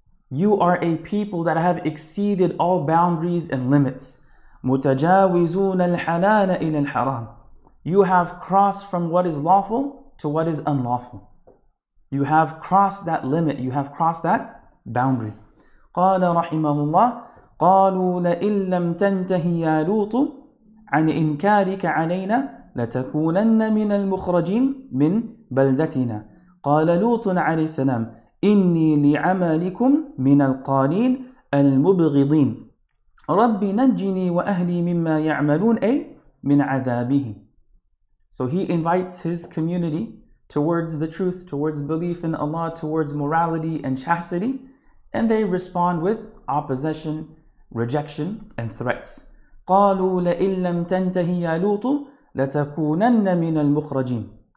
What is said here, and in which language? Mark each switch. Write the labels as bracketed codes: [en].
[en] You are a people that have exceeded all boundaries and limits. [ar] متجاوزون الحلال إلى الحرام [en] You have crossed from what is lawful to what is unlawful. You have crossed that limit. You have crossed that boundary. [ar] قال رحمه الله قالوا لئن لم تنتهي يا لوط عن إنكارك علينا لتكونن من المخرجين من بلدتنا قال لوط عليه السلام إني لعملكم من القانين المبغضين رَبِّ نَجِّنِي وَأَهْلِي مِمَّا يَعْمَلُونَ أي مِنْ عَذَابِهِ [en] So he invites his community towards the truth, towards belief in Allah, towards morality and chastity, and they respond with opposition, rejection, and threats. [ar] قَالُوا لَئِن لَمْ تَنْتَهِ يَا لُوطُ لَتَكُونَنَّ مِنَ الْمُخْرَجِينَ